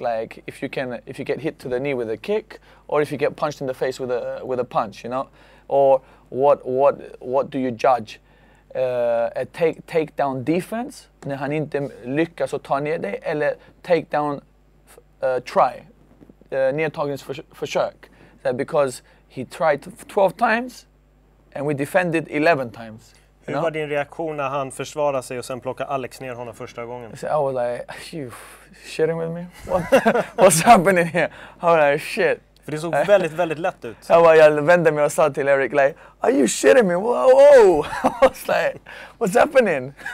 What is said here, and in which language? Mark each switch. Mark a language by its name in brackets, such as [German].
[English] Like, if you get hit to the knee with a kick, or if you get punched in the face with a punch, you know, or what do you judge? A takedown defense [Swedish] när han inte lyckas att ta ner dig, eller takedown try, nedtagningsförsök. [English] Because he tried 12 times, and we defended 11 times. [Swedish] Hur var din reaktion när han försvarade sig och sen plockade Alex ner honom första gången? [English] I was like, are you shitting with me? What's happening here? I was like, shit. [Swedish] För det såg väldigt, väldigt lätt ut. Jag vände mig och sa till Eric, [English] like, are you shitting me? Whoa, whoa. I was like, what's happening?